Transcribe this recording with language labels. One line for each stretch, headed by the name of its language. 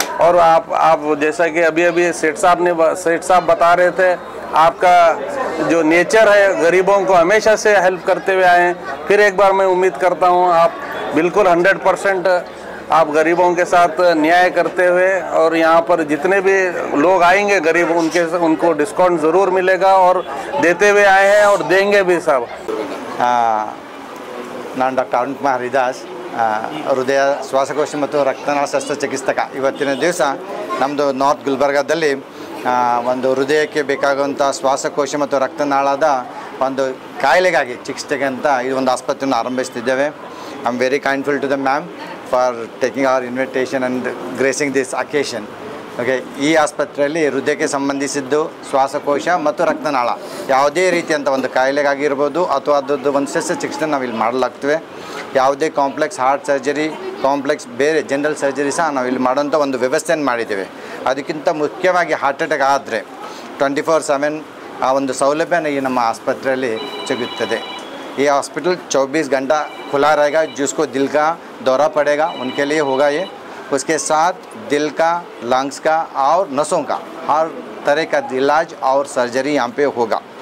Hindi: और आप जैसा कि अभी सेठ साहब बता रहे थे, आपका जो नेचर है गरीबों को हमेशा से हेल्प करते हुए आए हैं, फिर एक बार मैं उम्मीद करता हूँ आप बिल्कुल 100% आप गरीबों के साथ न्याय करते हुए और यहाँ पर जितने भी लोग आएंगे गरीब उनको डिस्काउंट ज़रूर मिलेगा और देते हुए आए हैं और देंगे भी सब।
Kannada: ನಾನು ಡಾಕ್ಟರ್ ಅರುಣ್ ಕುಮಾರ್ ಹರಿದಾಸ್, ಹೃದಯ ಶ್ವಾಸಕೋಶ ಮತ್ತು ರಕ್ತನಾಳ ಶಸ್ತ್ರಚಿಕಿತ್ಸಕ. ಇವತ್ತಿನ ದಿವಸ ನಮ್ಮದು ನಾರ್ತ್ ಗುಲ್ಬರ್ಗಾದಲ್ಲಿ ಒಂದು ಹೃದಯಕ್ಕೆ ಬೇಕಾಗುವಂಥ ಶ್ವಾಸಕೋಶ ಮತ್ತು ರಕ್ತನಾಳದ ಒಂದು ಕಾಯಿಲೆಗಾಗಿ ಚಿಕಿತ್ಸೆಗೆ ಅಂತ ಇದು ಒಂದು ಆಸ್ಪತ್ರೆಯನ್ನು ಆರಂಭಿಸ್ತಿದ್ದೇವೆ.
English: I am very kindful to the ma'am for taking our invitation and gracing this occasion.
Kannada: Okay, ಈ ಆಸ್ಪತ್ರೆಯಲ್ಲಿ ಹೃದಯಕ್ಕೆ ಸಂಬಂಧಿಸಿದ್ದು ಶ್ವಾಸಕೋಶ ಮತ್ತು ರಕ್ತನಾಳ ಯಾವುದೇ ರೀತಿಯಂಥ ಒಂದು ಕಾಯಿಲೆಗಾಗಿರ್ಬೋದು ಅಥವಾ ಅದರದ್ದು ಒಂದು ಶಸ್ತ್ರಚಿಕಿತ್ಸೆ ನಾವು ಇಲ್ಲಿ ಮಾಡಲಾಗ್ತೇವೆ. ಯಾವುದೇ ಕಾಂಪ್ಲೆಕ್ಸ್ ಹಾರ್ಟ್ ಸರ್ಜರಿ, ಕಾಂಪ್ಲೆಕ್ಸ್ ಬೇರೆ ಜನರಲ್ ಸರ್ಜರಿ ಸಹ ನಾವು ಇಲ್ಲಿ ಮಾಡೋಂಥ ಒಂದು ವ್ಯವಸ್ಥೆಯನ್ನು ಮಾಡಿದ್ದೇವೆ. ಅದಕ್ಕಿಂತ ಮುಖ್ಯವಾಗಿ ಹಾರ್ಟ್ ಅಟ್ಯಾಕ್ ಆದರೆ 24/7 ಆ ಒಂದು ಸೌಲಭ್ಯನ ಈ ನಮ್ಮ ಆಸ್ಪತ್ರೆಯಲ್ಲಿ ಸಿಗುತ್ತದೆ.
Hindi: ಈ ಹಾಸ್ಪಿಟಲ್ 24 ಗಂಟಾ ಖುಲಾ ರಹೇಗಾ, ಜಿಸ್ಕೋ ದಿಲ್ ಕಾ ದೌರಾ ಪಡೆಗಾ ಉನ್ಕೆ ಲಿಯೇ ಹೋಗಾ ಯೇ उसके साथ दिल का, लंग्स का और नसों का हर तरह का इलाज और सर्जरी यहाँ पे होगा.